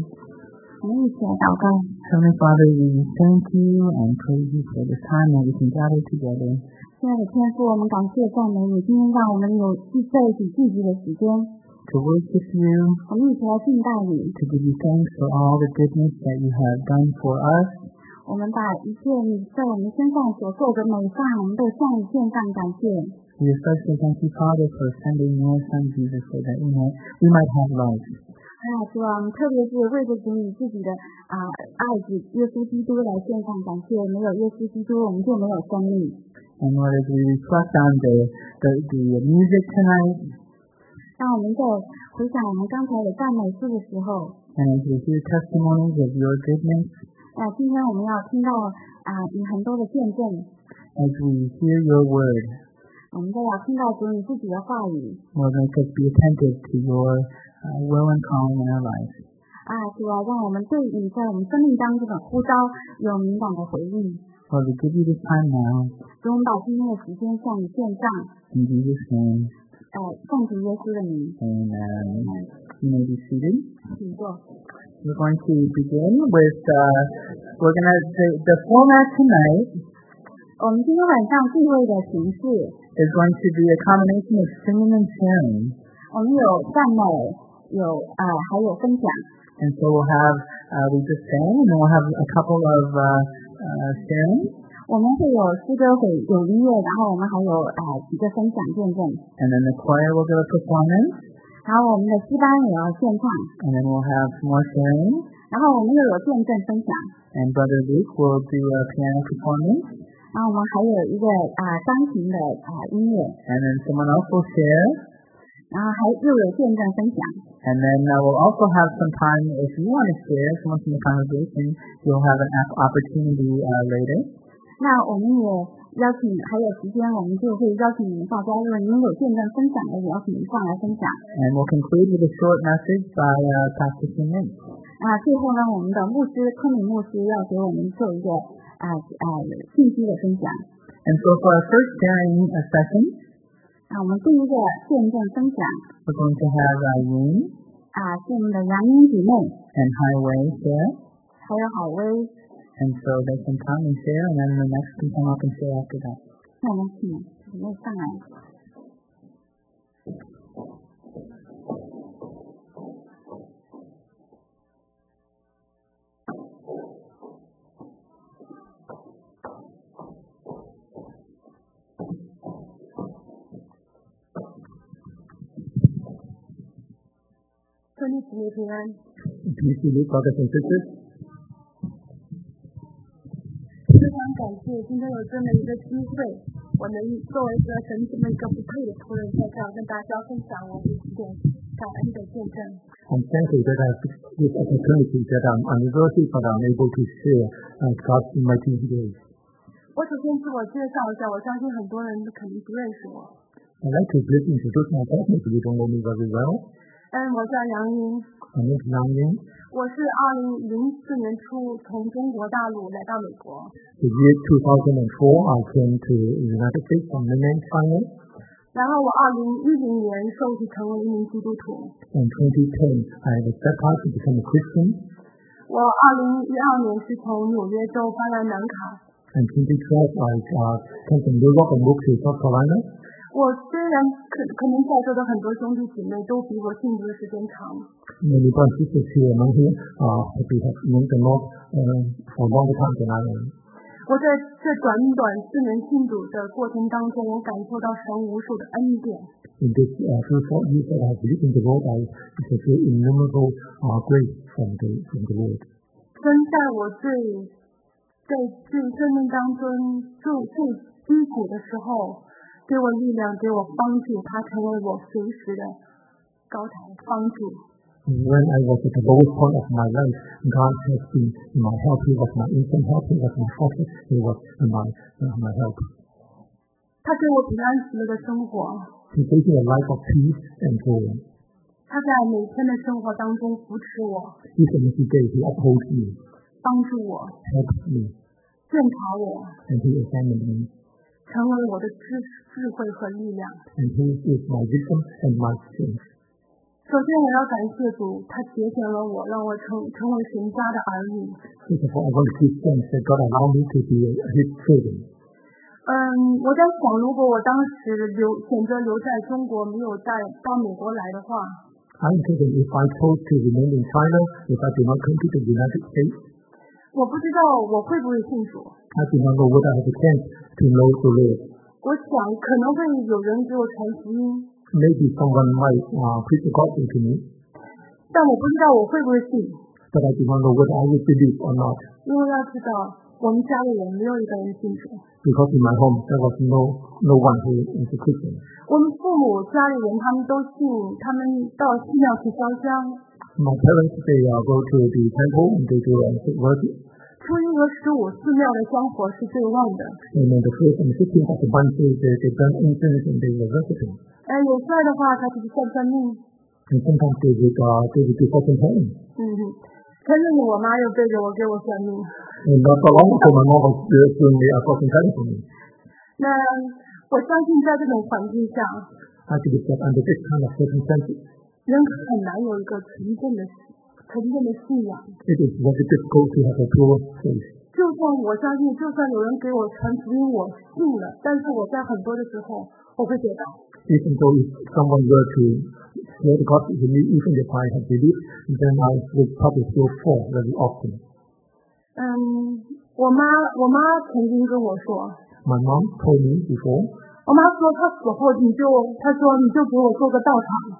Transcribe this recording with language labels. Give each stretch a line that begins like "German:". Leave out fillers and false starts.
English: Heavenly Father, we thank you and praise you for the time that we can gather together.
Chinese: 亲爱的天父，我们感谢赞美你，今天让我们有在一起聚集的时间。
English: To worship you.
Chinese: 我们一起来敬拜你。
English: To give you thanks for all the goodness that you have done for us.
Chinese: 我们把一切你在我们身上所做的美善，我们都向你献上感谢。
English: We especially thank you, Father, for sending your Son Jesus so that we might have life.
Chinese: 主啊，特别是为着主你自己的爱子耶稣基督来献上感谢，没有耶稣基督，我们就没有生命。
English: And Lord, as we reflect on the music tonight,
Chinese: 当我们在回想我们刚才的赞美诗的时候
English: ，And as we hear testimonies of your goodness,
Chinese: 今天我们要听到你很多的见证
English: ，As we hear your word,
Chinese: 我们都要听到主你自己的话语
English: ，Lord, let us be attentive to your. Will and calling in our life.
Chinese: 主啊，让我们对你在我们生命当中的呼召有敏感的回应。
English: Lord, we give you this time now.
Chinese: 主，我们把今天的时间向你献上。
English: In Jesus' name.
Chinese: 奉主耶稣的名。
English: Amen. You may be seated.
Chinese: 请坐。
English: We're going to begin with the format tonight.
Chinese: 我们今天晚上聚会的形式
English: is going to be a combination of singing and sharing.
Chinese: 我们有赞美，有还有分享。
English: And so we'll have we just sang, and we'll have a couple of sharing.
Chinese: 我们会有诗歌，会有音乐，然后我们还有几个分享见证。
English: And then the choir will give a performance.
Chinese: 然后我们的诗班也要献唱。
English: And then we'll have more sharing.
Chinese: 然后我们又有见证分享。
English: And Brother Luke will do a piano performance.
Chinese: 然后我们还有一个钢琴的音乐。
English: And then someone else will share.
Chinese: 然后还又有见证分享。
English: And then I will also have some time if you want to share someone from the congregation, you'll have an opportunity later.
Chinese: 那我们也邀请还有时间，我们就会邀请您大家，如果您有见证分享的，也邀请您上来分享。
English: And we'll conclude with a short message by Pastor Kim Min.
Chinese: 最后呢，我们的牧师昆明牧师要给我们做一个信息的分享。
English: And so for our first sharing session.
Chinese: 我们第一个见证分享。
English: We're going to have Yin.
Chinese: 是我们的杨英姐妹。
English: And Hai Wei share.
Chinese: 还有郝威。
English: And so they can come and share, and then the next can come up and share after that.
Chinese: 那我们请姐妹上来。
English: Peace be with you, brothers and sisters.
Chinese: 非常感谢今天有这么一个机会，我能作为一个神这么一个不配的仆人，在这儿跟大家分享我一点感恩的见证。
English: I'm thankful that I have this opportunity that I'm worthy, but I'm able to share God's mighty deeds.
Chinese: 我首先自我介绍一下，我相信很多人肯定不认识我。
English: I'd like to briefly introduce myself if you don't know me very well.
Chinese: 我叫杨英。我是杨英。我是2004年初从中国大陆来到美国。
English: The year 2004, I came to the United States from mainland China.
Chinese: 然后我2010年受洗成为一名基督徒。
English: In 2010, I was baptized to become a Christian.
Chinese: 我2012年是从纽约州搬来南卡。
English: In 2012, I came from New York and moved to South Carolina.
Chinese: 我虽然可能在座的很多兄弟姐妹都比我信主的时间长。那你办事是也蛮多啊，会比他能更多，我帮助他们更多。我在这短短4年信主的过程当中，我感受到神无数的恩典。
English: In this first 4 years that I have lived in the Lord, I receive innumerable grace from the Lord.
Chinese: 真在我最生命当中最低谷的时候。给我力量，给我帮助，他成为我随时的高台帮助。
English: When I was at the lowest point of my life, God has been my help. He was my instant help. He was my fortress. He was my help.
Chinese: 他给我平安喜乐的生活。
English: He gave me a life of peace and joy.
Chinese: 他在每天的生活当中扶持我。
English: Each and every day, He upholds me.
Chinese: 帮助我。
English: Helps me.
Chinese: 鉴察我。
English: And He examines me.
Chinese: 成为我的智慧和力量。
English: And he is my wisdom and my strength.
Chinese: 首先我要感谢主，他拣选了我，让我成为神家的儿女。
English: First of all, I want to thank that God allowed me to be His children.
Chinese: 我在想，如果我当时选择留在中国，没有到美国来的话
English: ，I'm thinking if I chose to remain in China, if I did not come to the United States.
Chinese: 我不知道我会不会信主。
English: I do not know whether I have a chance to know the Lord.
Chinese: 我想可能会有人给我传福音。
English: Maybe someone might preach the gospel to me.
Chinese: 但我不知道我会不会信。
English: But I do not know whether I will believe or not.
Chinese: 因为要知道，我们家里人没有一个人信主。
English: Because in my home there was no one who is a Christian.
Chinese: 我们父母家里人他们都信，他们到寺庙去烧香。
English: My parents they go to the temple and they do and sit worship.
Chinese: 初一和十五寺庙的香火是最旺的。
English: And then the first and the 15th of the month they burn incense and they worship him.
Chinese: 哎，有帅的话，他就是算算命。
English: And sometimes they would give fortune telling.
Chinese: 嗯，前阵子我妈又背着我给我算命。
English: And not long ago, my mom was giving me a fortune telling for me.
Chinese: 那我相信在这种环境下
English: ，I believe that under this kind of circumstances,
Chinese: 人很难有一个纯正的信仰。
English: It is very difficult to have a pure faith.
Chinese: 就算我相信，就算有人给我传福音，我信了，但是我在很多的时候，我会跌倒。
English: Even though if someone were to share the gospel with me, even if I had believed, then I would probably still fall very often.
Chinese: 我妈曾经跟我说。
English: My mom told me before.
Chinese: 我妈说她死后她说你就给我做个道场。